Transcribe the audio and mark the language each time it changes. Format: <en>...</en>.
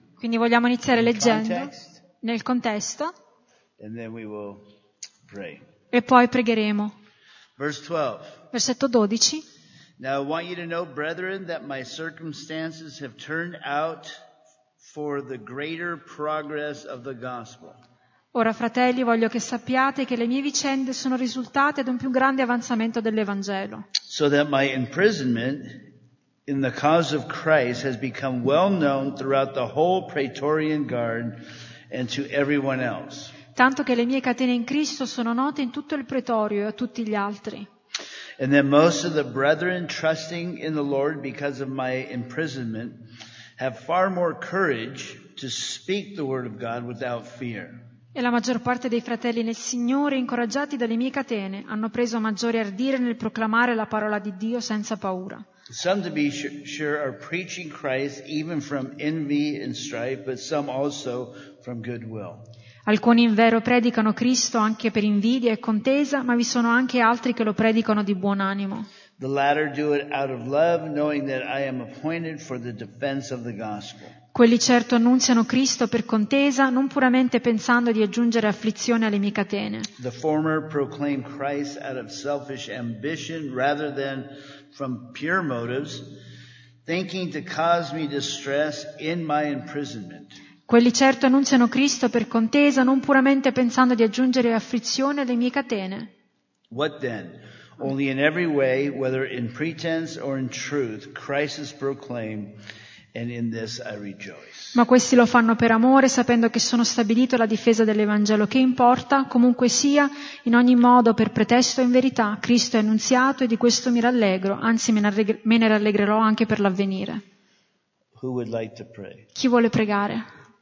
<it>Quindi vogliamo iniziare leggendo. Nel contesto.</it> <en>And then we will pray.</en> <it>E poi pregheremo.</it> <en>Verse 12.</en> <it>Versetto 12.</it> <en>Now I want you to know, brethren, that my circumstances have turned out for the greater progress of the gospel.</en> <it>Ora, fratelli, voglio che sappiate che le mie vicende sono risultate ad un più grande avanzamento dell'Evangelo.</it> <en>So that my imprisonment in the cause of Christ has become well known throughout the whole Praetorian Guard. And to everyone else.</en> <it>Tanto che le mie catene in Cristo sono note in tutto il pretorio e a tutti gli altri.</it> <en>And then most of the brethren trusting in the Lord because of my imprisonment have far more courage to speak the word of God without fear.</en> <it>E la maggior parte dei fratelli nel Signore, incoraggiati dalle mie catene, hanno preso maggiore ardire nel proclamare la parola di Dio senza paura.</it> <en>Some to be sure are preaching Christ even from envy and strife, but some also from goodwill.</en> <it>Alcuni in vero predicano Cristo anche per invidia e contesa, ma vi sono anche altri che lo predicano di buon animo.</it> <en>The latter do it out of love, knowing that I am appointed for the defense of the gospel.</en> <it>Quelli certo annunciano Cristo per contesa, non puramente pensando di aggiungere afflizione alle mie catene.</it> <en>The former proclaim Christ out of selfish ambition rather than from pure motives, thinking to cause me distress in my imprisonment.</en> <it>Quelli certo annunciano Cristo per contesa, non puramente pensando di aggiungere afflizione alle mie catene.</it> <en>What then? Only in every way, whether in pretense or in truth, Christ is proclaimed, and in this I rejoice.</en> <it>Ma questi lo fanno per amore, sapendo che sono stabilito la difesa dell'Evangelo. Che importa, comunque sia, in ogni modo, per pretesto o in verità, Cristo è annunziato e di questo mi rallegro, anzi me ne rallegrerò anche per l'avvenire.</it> <en>Who would like to pray?</en> <it>Chi vuole pregare?</it>